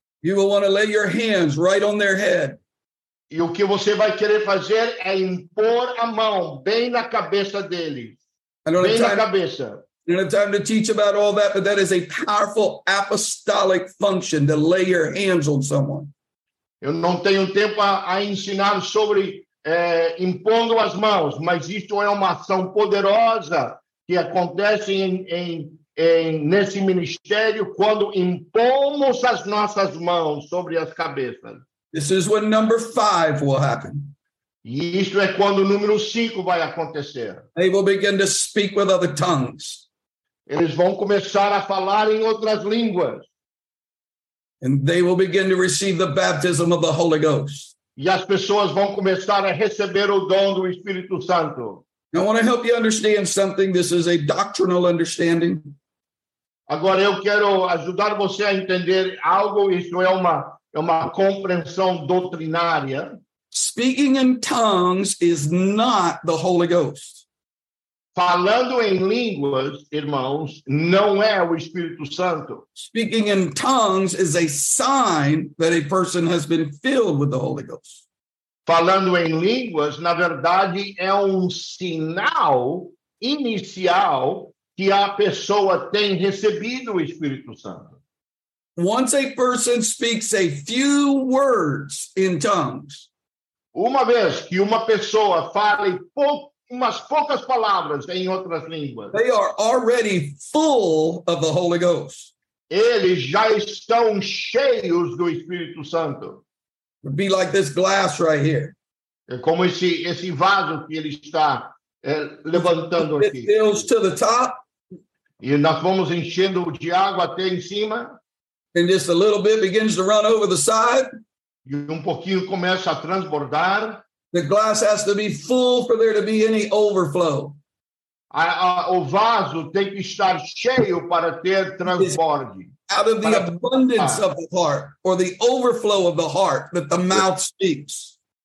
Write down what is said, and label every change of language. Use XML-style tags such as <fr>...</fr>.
<en>You will want to lay your hands right on their head.</en> <pt>E o que você vai querer fazer é impor a mão bem na cabeça deles. Bem na cabeça.</pt> <en>I don't have time to teach about all that, but that is a powerful apostolic function, to lay your hands on someone.</en> <pt>Eu não tenho tempo a ensinar sobre impondo as mãos, mas isto é uma ação poderosa que acontece nesse ministério quando impomos as nossas mãos sobre as cabeças.</pt> <en>This is when number 5 will happen.</en> <pt>E isto é quando o número 5 vai acontecer.</pt> <en>They will begin to speak with other tongues.</en> <pt>Eles vão começar a falar em outras línguas.</pt> <en>And they will begin to receive the baptism of the Holy Ghost.</en> <pt>E as pessoas vão começar a receber o dom do Espírito Santo.</pt> <en>I want to help you understand something. This is a doctrinal understanding.</en> <pt>Agora eu quero ajudar você a entender algo. Isso é uma compreensão doutrinária.</pt> <en>Speaking in tongues is not the Holy Ghost.</en> <pt>Falando em línguas, irmãos, não é o Espírito Santo.</pt> <en>Speaking in tongues is a sign that a person has been filled with the Holy Ghost.</en> <pt>Falando em línguas, na verdade, é sinal inicial que a pessoa tem recebido o Espírito Santo.</pt> <en>Once a person speaks a few words in tongues,</en> <pt>uma vez que uma pessoa fale umas poucas palavras em outras línguas,</pt> <en>they are already full of the Holy Ghost.</en> <pt>Eles já estão cheios do Espírito Santo.</pt> <en>It'd be like this glass right here.</en> <pt>É como esse vaso que ele está levantando</pt> <en>it</en> <pt>aqui.</pt> <en>It fills to the top.</en> <pt>E nós vamos enchendo de água até em cima.</pt> <en>And just a little bit begins to run over the side.</en> <pt>E pouquinho começa a transbordar.</pt> <en>The glass has to be full for there to be any overflow.</en> <pt>O vaso tem que estar cheio para ter transborde.</pt> <en>Out of the abundance of the heart, or the overflow of the heart that the mouth speaks.</en>